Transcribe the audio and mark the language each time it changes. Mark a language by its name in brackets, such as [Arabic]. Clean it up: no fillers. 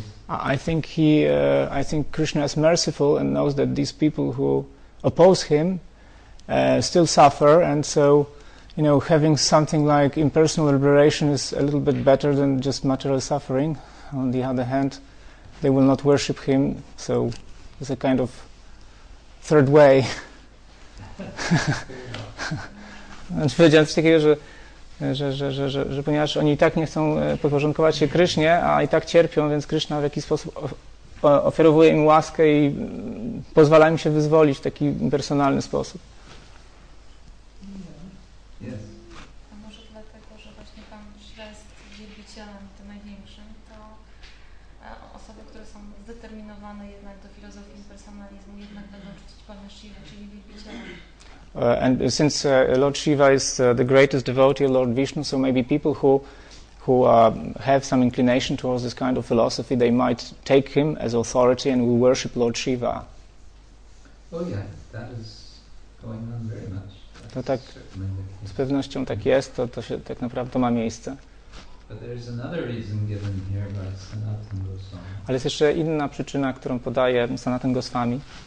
[English] I think Krishna is merciful and knows that these people who oppose him still suffer, and so, you know, having something like impersonal liberation is a little bit better than just material suffering. On the other hand, they will not worship him, so it's a kind of third way. [Polish] Znaczy powiedziałem coś takiego, że ponieważ oni i tak nie chcą podporządkować się Krysznie, a i tak cierpią, więc Kryszna w jakiś sposób ofiarowuje im łaskę i pozwala im się wyzwolić w taki personalny sposób. A może dlatego, że właśnie tam źle z wielbicielem tym największym, to osoby, które są zdeterminowane jednak do filozofii impersonalizmu, jednak będą czcić Pana Shiva, czyli wielbicielem. [English] And since Lord Shiva is the greatest devotee of Lord Vishnu, so maybe people who have some inclination towards this kind of philosophy, they might take him as authority and will worship Lord Shiva. Oh yeah, that is going on very much. [Polish] To tak, z pewnością tak jest, to się tak naprawdę ma miejsce. [English] But there is another reason given here by Sanatan Goswami. [Polish] Ale jest jeszcze inna przyczyna, którą podaje Sanatan Goswami.